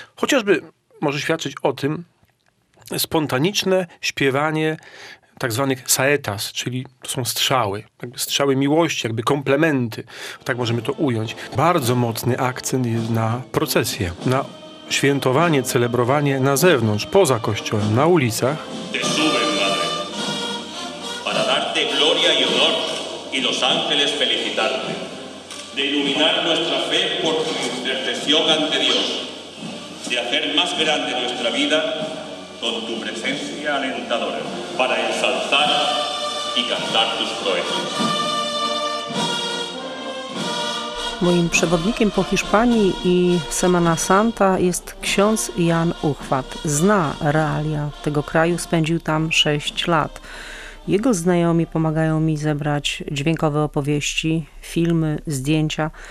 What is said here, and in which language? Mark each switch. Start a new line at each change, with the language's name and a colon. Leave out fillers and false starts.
Polish: Chociażby może świadczyć o tym spontaniczne śpiewanie tak zwanych saetas, czyli to są strzały, jakby strzały miłości, jakby komplementy, tak możemy to ująć. Bardzo mocny akcent jest na procesję, na świętowanie, celebrowanie na zewnątrz, poza kościołem, na ulicach.
Spanish: Te sube, madre, para darte gloria y honor y los ángeles felicitarte, de iluminar nuestra fe por tu intercesión ante Dios, de hacer más grande nuestra vida con tu presencia alentadora, para ensalzar y cantar tus proezas.
Polish: Moim przewodnikiem po Hiszpanii i Semana Santa jest ksiądz Jan Uchwat. Zna realia tego kraju, spędził tam 6 lat. Jego znajomi pomagają mi zebrać dźwiękowe opowieści, filmy, zdjęcia.